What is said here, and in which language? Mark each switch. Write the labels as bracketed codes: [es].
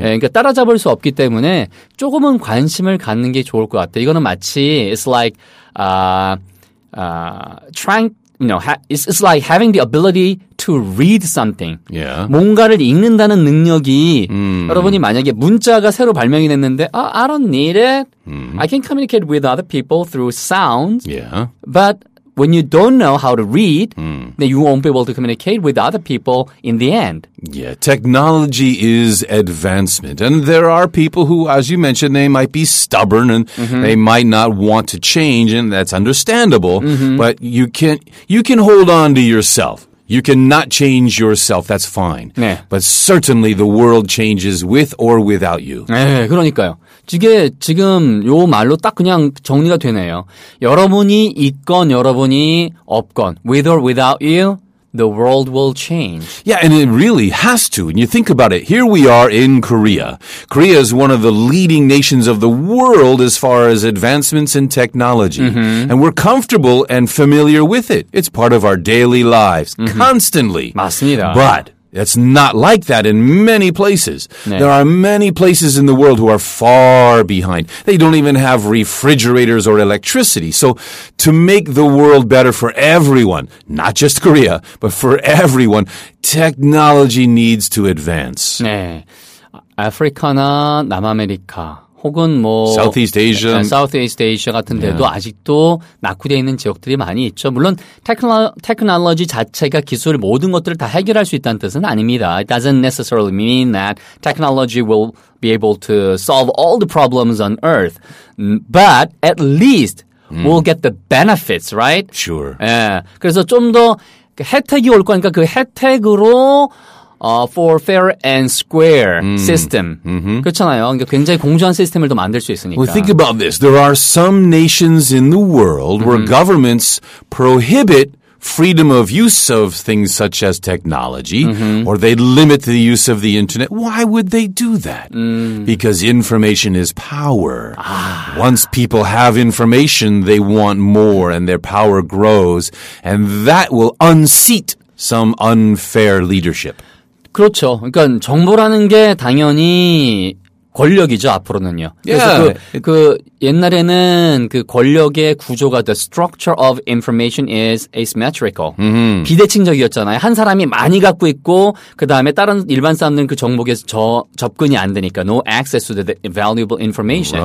[ko] 예, 그러니까 따라잡을 수 없기 때문에 조금은 관심을 갖는 게 좋을 것 같아. 이거는 마치 [en] it's like trying, you know, it's like having the ability to read something. Yeah. [ko] 뭔가를 읽는다는 능력이 여러분이 만약에 문자가 새로 발명이 됐는데, [en] I don't need it. I can communicate with other people through sound. Yeah. But when you don't know how to read, then you won't be able to communicate with other people in the end. Yeah, technology is advancement. And there are people who, as you mentioned, they might be stubborn and they might not want to change, and that's understandable. But you can hold on to yourself. You cannot change yourself. That's fine. [ko] 네. [en] But certainly the world changes with or without you. [ko] 네, 그러니까요. 이게 지금 요 말로 딱 그냥 정리가 되네요. 여러분이 있건 여러분이 없건 [en] with or without you, the world will change. Yeah, and it really has to. And you think about it. Here we are in Korea. Korea is one of the leading nations of the world as far as advancements in technology. And we're comfortable and familiar with it. It's part of our daily lives constantly. [ko] 맞습니다. [en] But It's not like that in many places. 네. There are many places in the world who are far behind. They don't even have refrigerators or electricity. So to make the world better for everyone, not just Korea, but for everyone, technology needs to advance. [ko] 네. 아프리카나 남아메리카 혹은 뭐 [en] Southeast Asia. [ko] Southeast Asia 같은 데도 yeah. 아직도 낙후되어 있는 지역들이 많이 있죠. 물론 technology 자체가 기술 모든 것들을 다 해결할 수 있다는 뜻은 아닙니다. [en] It doesn't necessarily mean that technology will be able to solve all the problems on earth. But at least we'll get the benefits, right? Sure. [ko] 예. 그래서 좀 더 혜택이 올 거니까 그 혜택으로 [en] for fair and square system. Mm-hmm. [ko] 그렇잖아요. 굉장히 공정한 시스템을 또 만들 수 있으니까. [en] Well, think about this. There are some nations in the world mm-hmm. where governments prohibit freedom of use of things such as technology mm-hmm. or they limit the use of the internet. Why would they do that? Mm. Because information is power. Ah. Once people have information, they want more and their power grows and that will unseat some unfair leadership. [ko] 그렇죠. 그러니까 정보라는 게 당연히 권력이죠, 앞으로는요. 그래서 yeah. 그 옛날에는 그 권력의 구조가 [en] the structure of information is asymmetrical. Mm-hmm. [ko] 비대칭적이었잖아요. 한 사람이 많이 갖고 있고 그다음에 다른 일반 사람들은 그 정보에 접근이 안 되니까 [en] no access to the valuable information.